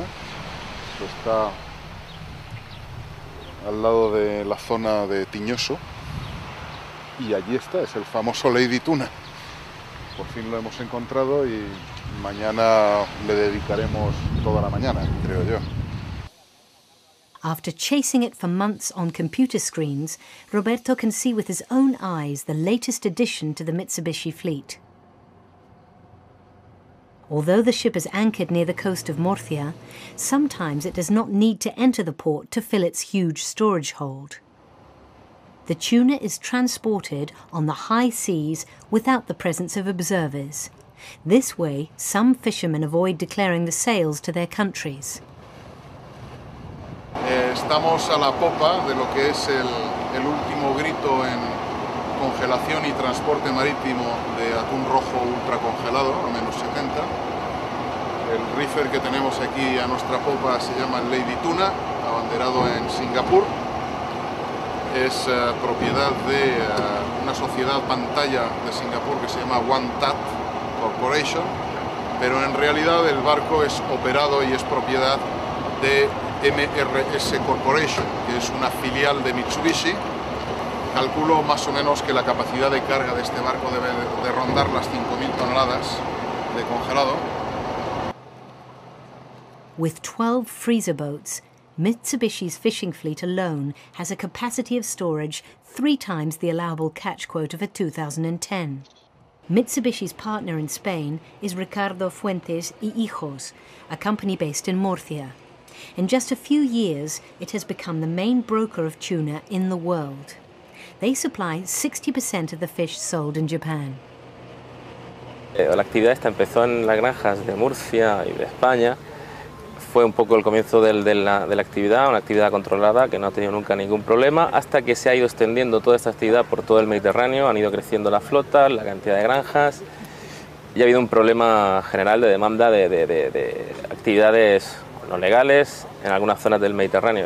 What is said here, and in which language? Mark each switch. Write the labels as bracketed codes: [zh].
[es] Esto está al lado de la zona de Tiñoso. Y allí está, es el famoso Lady Tuna. Por fin lo hemos encontrado y mañana le dedicaremos toda la mañana, creo yo. [en] After chasing it for months on computer screens, Roberto can see with his own eyes the latest addition to the Mitsubishi fleet. Although the ship is anchored near the coast of Murcia, sometimes it does not need to enter the port to fill its huge storage hold. The tuna is transported on the high seas without the presence of observers, This way, some fishermen avoid declaring the sales to their countries. [es] Estamos a la popa de lo que es el último grito en congelación y transporte marítimo de atún rojo ultra congelado, a menos 70. El reefer que tenemos aquí a nuestra popa se llama Lady Tuna, abanderado en Singapur. Es propiedad de una sociedad pantalla de Singapur que se llama One Tat Corporation, pero en realidad el barco es operado y es propiedad de MRS Corporation, que es una filial de Mitsubishi. Calculo más o menos que la capacidad de carga de este barco debe de rondar las 5.000 toneladas de congelado. [en] With 12 freezer boats, Mitsubishi's fishing fleet alone has a capacity of storage three times the allowable catch quota for 2010. Mitsubishi's partner in Spain is Ricardo Fuentes y Hijos, a company based in Murcia. In just a few years, it has become the main broker of tuna in the world. They supply 60% of the fish sold in Japan. [es] La actividad esta empezó en las granjas de Murcia y de España. Fue un poco el comienzo de la actividad, una actividad controlada que no ha tenido nunca ningún problema, hasta que se ha ido extendiendo toda esta actividad por todo el Mediterráneo, han ido creciendo la flota, la cantidad de granjas, y ha habido un problema general de demanda de actividades no legales en algunas zonas del Mediterráneo.